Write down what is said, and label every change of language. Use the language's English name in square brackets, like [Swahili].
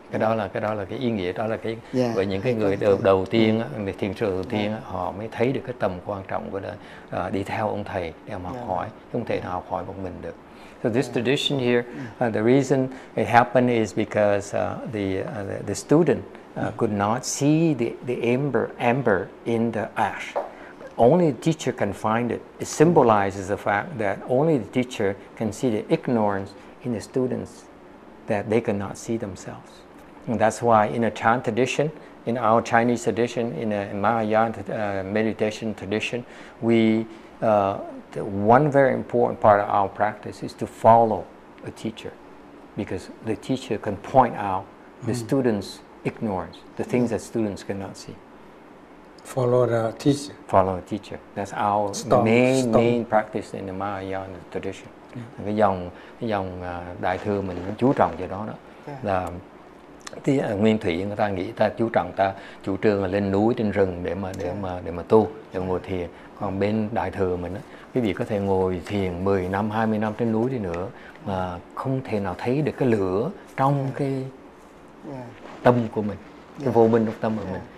[Vietnamese] Cái đó là cái ý nghĩa, đó là cái bởi những cái người đầu tiên, người thiền sư đầu tiên họ mới thấy được cái tầm quan trọng của đi theo ông thầy để học hỏi, không thể nào học hỏi một mình được. [English] So this tradition here, the reason it happened is because the student could not see the ember in the ash. Only the teacher can find it. It symbolizes the fact that only the teacher can see the ignorance in the students, that they cannot see themselves. And that's why in a Chan tradition, in our Chinese tradition, in a Mahayana meditation tradition, one very important part of our practice is to follow a teacher, because the teacher can point out the students' ignorance, the things that students cannot see. Follow the teacher. Follow the teacher. That's our main practice in the Mahayana tradition. Yeah. [Vietnamese] Cái dòng đại thừa mình chú trọng vào đó. Là thì Nguyên Thủy người ta nghĩ ta chú trọng ta chủ trương là lên núi trên rừng để mà tu, để ngồi thiền. Còn bên đại thừa mình á, quý vị có thể ngồi thiền 10 năm, 20 năm trên núi đi nữa mà không thể nào thấy được cái lửa trong cái tâm của mình, cái vô minh trong tâm của mình.